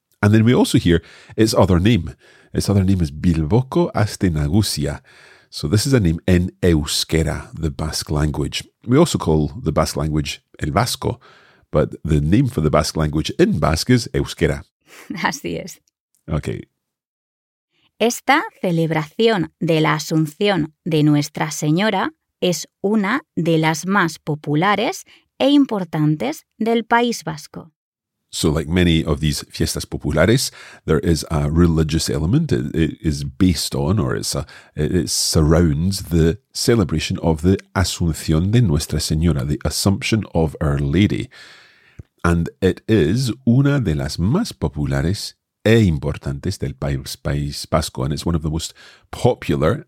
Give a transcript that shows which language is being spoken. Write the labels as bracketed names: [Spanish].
[English] And then we also hear its other name. Its other name is Bilboko Aste Nagusia. So this is a name in euskera, the Basque language. We also call the Basque language El Vasco, but the name for the Basque language in Basque is euskera. [Spanish] Así es. [English] Okay. [Spanish] Esta celebración de la Asunción de Nuestra Señora es una de las más populares e importantes del País Vasco. [English] So like many of these fiestas populares, there is a religious element. It is based on, or it surrounds the celebration of the [Spanish] Asunción de Nuestra Señora, [English] the Assumption of Our Lady. And it is [Spanish] una de las más populares e importantes del País Vasco, [English] and it's one of the most popular.